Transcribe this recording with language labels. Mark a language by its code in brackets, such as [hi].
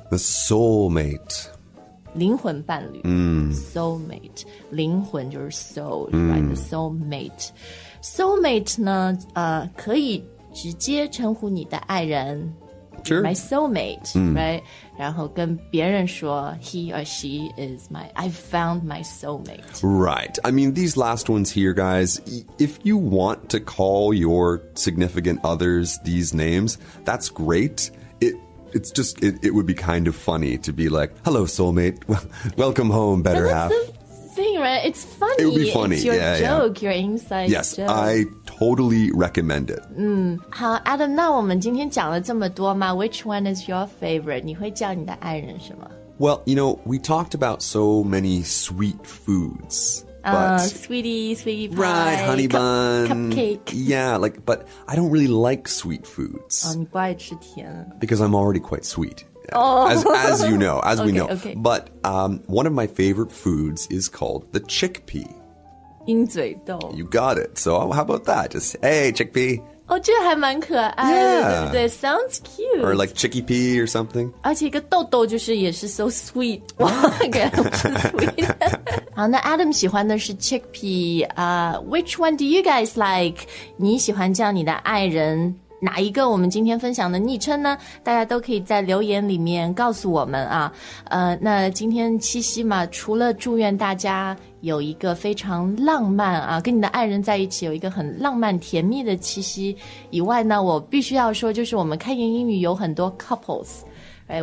[en] The soulmate， [zh] 灵魂伴侣。 Soulmate， 灵魂就是 soul， right？ The soulmate， soulmate 呢，可以直接称呼你的爱人。 [en] Sure. My soulmate,、right? [zh] 然后跟别人说 [en] he or she is my, I found my soulmate. Right. I mean, these last ones here, guys, if you want to call your significant others these names, that's great. It would be kind of funny to be like, hello, soulmate. Welcome home, better half. That's the thing, right? It's funny. It would be funny. It's your joke,、 yeah. your inside yes, joke. Yes, Totally recommend it. [zh] 好 ,Adam, 那我们今天讲了这么多吗 ? [en] Which one is your favorite? [zh] 你会叫你的爱人什么 [en] ?Well, you know, we talked about so many sweet foods. Sweetie pie. Right, honey bun. Cupcake. Yeah, but I don't really like sweet foods. [zh] 哦、你不爱吃甜。 [en] Because I'm already quite sweet. Oh! As you know, as we okay, know. Okay. But one of my favorite foods is called the chickpea. [zh] 鹰嘴豆。 [en] You got it. So how about that? Just, hey, chickpea. [zh] Oh, 这还蛮可爱的、 [en] yeah. [zh] 对不对 [en] Sounds cute. Or like chicky pea or something. [zh] 而且一个豆豆就是也是 [en] so sweet. [zh] 哇，感觉好 sweet. 好，那 Adam 喜欢的是 chickpea. [en] Which one do you guys like? [zh] 你喜欢叫你的爱人哪一个我们今天分享的昵称呢大家都可以在留言里面告诉我们啊。那今天七夕嘛除了祝愿大家有一个非常浪漫啊跟你的爱人在一起有一个很浪漫甜蜜的七夕以外呢我必须要说就是我们开言英语有很多 [en] couples, right?